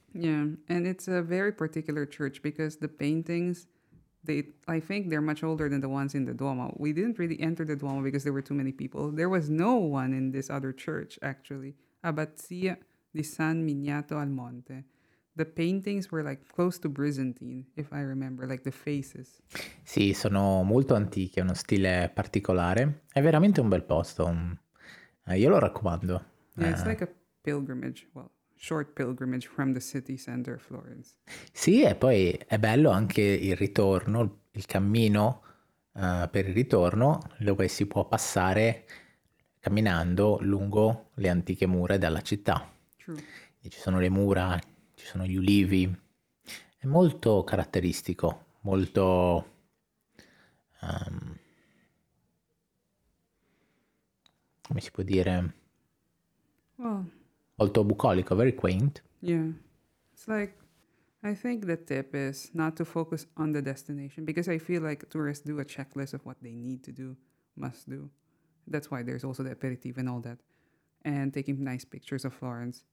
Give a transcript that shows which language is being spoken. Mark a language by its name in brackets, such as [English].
[English] Yeah, and it's a very particular church because the paintings, I think they're much older than the ones in the Duomo. We didn't really enter the Duomo because there were too many people. There was no one in this other church, actually. Abbazia di San Miniato al Monte. The paintings were like close to Byzantine, if I remember, like the faces. [Italian] Sì, sono molto antiche, hanno uno stile particolare. È veramente un bel posto. Io lo raccomando. [English] Yeah, it's like a pilgrimage, well, short pilgrimage from the city center of Florence. [Italian] Sì, e poi è bello anche il ritorno, il cammino per il ritorno, dove si può passare camminando lungo le antiche mura della città. E [English] True. [Italian] ci sono le mura, ci sono gli ulivi. È molto caratteristico, molto come si può dire, [English] Well, [Italian] molto bucolico, [English] very quaint. yeah, it's like I think the tip is not to focus on the destination because I feel like tourists do a checklist of what they need to do, must do. That's why there's also the aperitif and all that, and taking nice pictures of Florence.